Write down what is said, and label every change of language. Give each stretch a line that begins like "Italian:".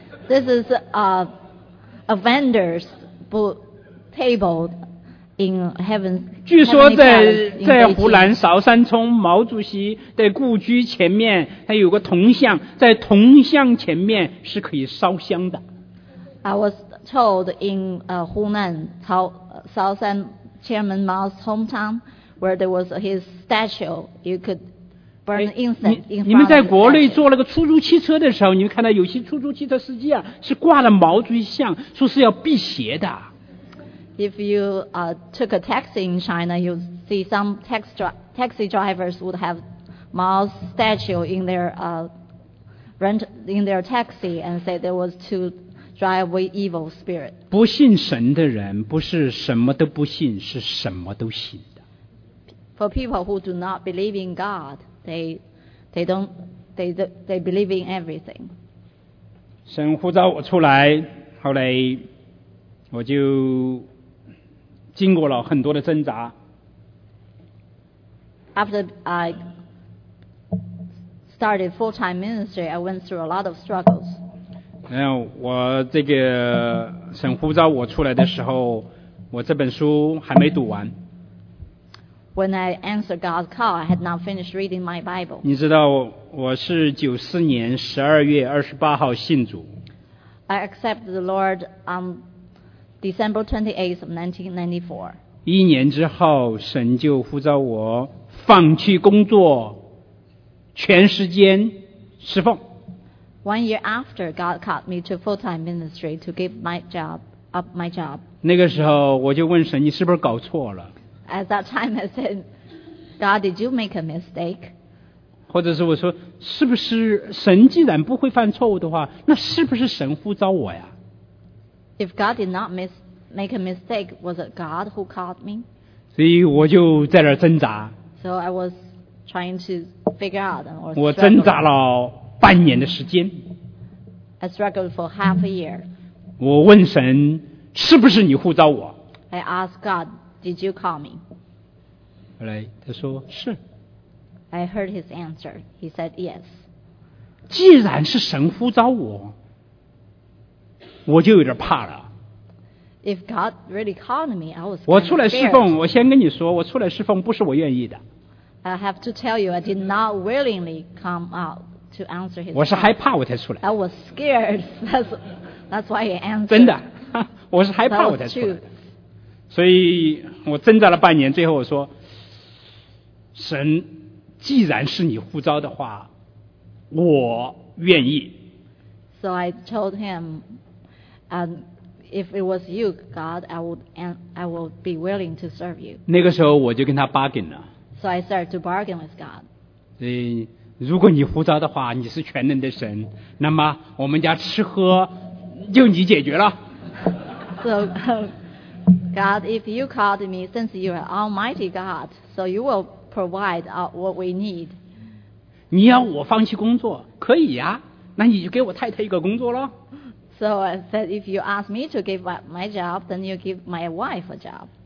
English: This is a vendor's booth table. In heaven,
Chinese: 据说在湖南韶山村毛主席的故居前面还有个铜像，在铜像前面是可以烧香的。
English: I was told in Hunan, 韶山 Chairman Mao's hometown where there was his statue, you could burn incense in front of the statue.
Chinese: 你们在国内坐那个出租汽车的时候，你们看到有些出租汽车司机啊是挂了毛主席像，说是要辟邪的。
English: If you took a taxi in China, you see some taxi drivers would have Mao's statue in their taxi and say there was to drive away evil spirit.
Chinese: 不信神的人不是什么都不信，是什么都信的。
English: For people who do not believe in God, they believe in everything.
Chinese: 神呼召我出来，后来我就。经过了很多的挣扎。
English: After I started full-time ministry, I went through a lot of struggles.
Chinese: 然后我这个神呼召我出来的时候，我这本书还没读完。
English: When I answered God's call, I had not finished reading my Bible.
Chinese: 你知道我是94年12月28号信主。
English: I accepted the Lord on December 28th of 1994.
Chinese: 一年之后，神就呼召我放弃工作，全时间侍奉。
English: One year after, God called me to full-time ministry to give my job.
Chinese: 那个时候，我就问神，你是不是搞错了
English: ？At that time, I said, God, did you make a mistake?
Chinese: 或者是我说，是不是神既然不会犯错误的话，那是不是神呼召我呀？
English: If God did not make a mistake, was it God who called me?
Chinese: 所以我就在那儿挣扎。
English: So I was trying to figure out.
Chinese: 我挣扎了半年的时间。
English: I struggled for half a year.
Chinese: 我问神，是不是你呼召我？
English: I asked God, did you call me?
Chinese: 后来他说是。
English: I heard his answer. He said yes.
Chinese: 既然是神呼召我。我就有点怕了。
English: If God really called me, I was kind of scared.
Chinese: 我出来侍奉，我先跟你说，我出来侍奉不是我愿意的。
English: I have to tell you, I did not willingly come out to answer his.
Chinese: 我是害怕我才出来。
English: I was scared. That's why he answered.
Chinese: 真的，我是害怕我才出来。所以我挣扎了半年，最后我说，神，既然是你呼召的话，我愿意。
English: So I told him, and if it was you, God, I would be willing to serve you.
Chinese: 那个时候我就跟他 bargain 了。
English: So I started to bargain with God.
Chinese: 所以如果你呼召的话，你是全能的神，那么我们家吃喝就你解决了。
English: So, God, if you called me, since you are Almighty God, so you will provide what we need.
Chinese: 你要我放弃工作，可以呀。那你就给我太太一个工作咯。
English: So I said, if you ask me to give up my job, then you give my wife a job.